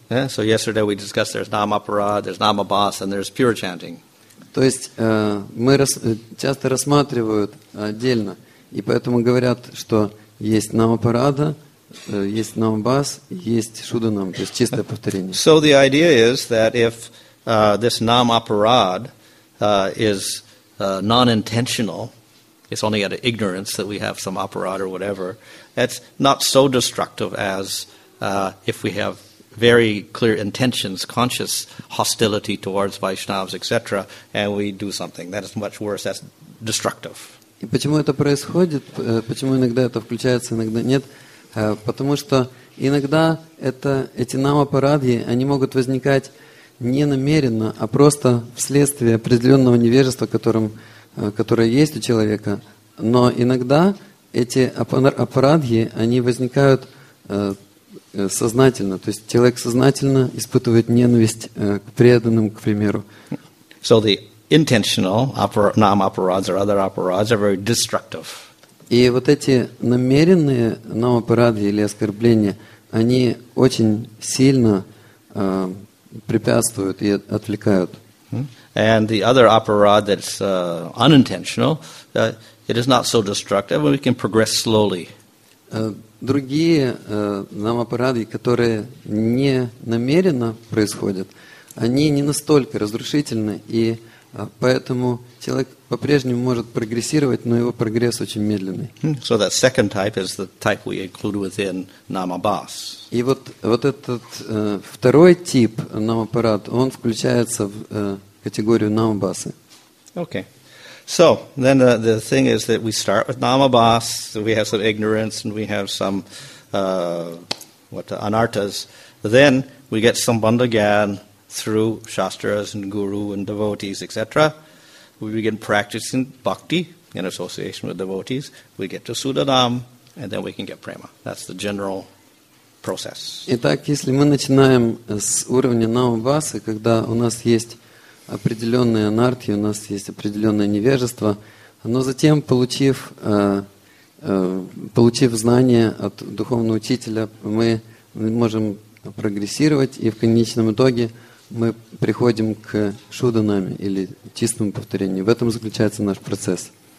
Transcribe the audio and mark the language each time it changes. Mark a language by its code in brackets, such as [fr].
[en] Yeah, so yesterday we discussed there's namaparad, there's namabhas, and there's pure chanting. [ru] То есть мы часто рассматривают отдельно, и поэтому говорят, что есть намапарада, есть намабас, есть шуданам, то есть чистое повторение. [en] So the idea is that if this namaparad is non-intentional, it's only out of ignorance that we have some aparad or whatever, that's not so destructive as if we have very clear intentions, conscious hostility towards Vaishnavas, etc., and we do something. That is much worse, that's destructive. [ru] И почему это происходит? Почему иногда это включается, иногда нет? Потому что иногда эти намапарадхи, они могут возникать не намеренно, а просто вследствие определенного невежества, которое есть у человека. Но иногда эти апарадхи, они возникают сознательно, то есть человек сознательно испытывает ненависть к преданным, к примеру. [en] So the intentional namaparads or other aparads are very destructive. [ru] И вот эти намеренные намапарады или оскорбления, они очень сильно препятствуют и отвлекают. [en] And the other aparad that's unintentional, it is not so destructive, and we can progress slowly. [ru] Другие намапарады, которые не намеренно происходят, они не настолько разрушительны, и поэтому человек по-прежнему может прогрессировать, но его прогресс очень медленный. [en] So that second type is the type we include within namabhas. [ru] И вот этот второй тип намапарад, он включается в категорию намабасы. [en] Okay. So then the thing is that we start with Nama Bas, we have some ignorance and we have some anartas. Then we get some Bandhagyan through Shastras and Guru and devotees, etc. We begin practicing bhakti in association with devotees. We get to Sudanam, and then we can get prema. That's the general process. [ru] Итак, если мы начинаем с уровня Намабасы, когда у нас есть определенные анартхи, у нас есть определенное невежество, но затем, получив знания от духовного учителя, мы можем прогрессировать, и в конечном итоге мы приходим к шуданаме или чистому повторению. В этом заключается наш процесс.